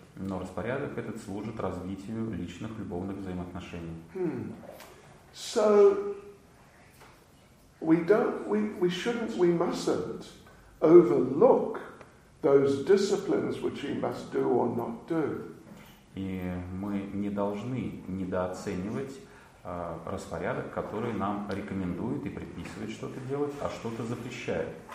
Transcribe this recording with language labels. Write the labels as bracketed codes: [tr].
[ru] Но распорядок этот служит развитию личных любовных взаимоотношений. [en] So we mustn't overlook those disciplines which we must do or not do. [ru] И мы не должны недооценивать распорядок, который нам рекомендует и предписывает что-то делать, а что-то запрещает.